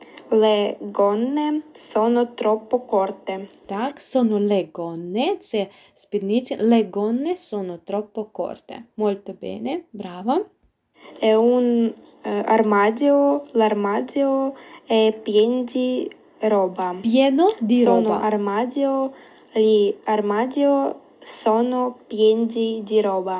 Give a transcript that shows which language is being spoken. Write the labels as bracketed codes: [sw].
[it] Le gonne sono troppo corte. [uk] Так, [it] sono le gonne, [uk] це спідниці. [it] Le gonne sono troppo corte. Molto bene, brava. È un armadio, l'armadio è pieno di roba. Pieno di Sono roba. armadio, gli armadio sono pieni di roba.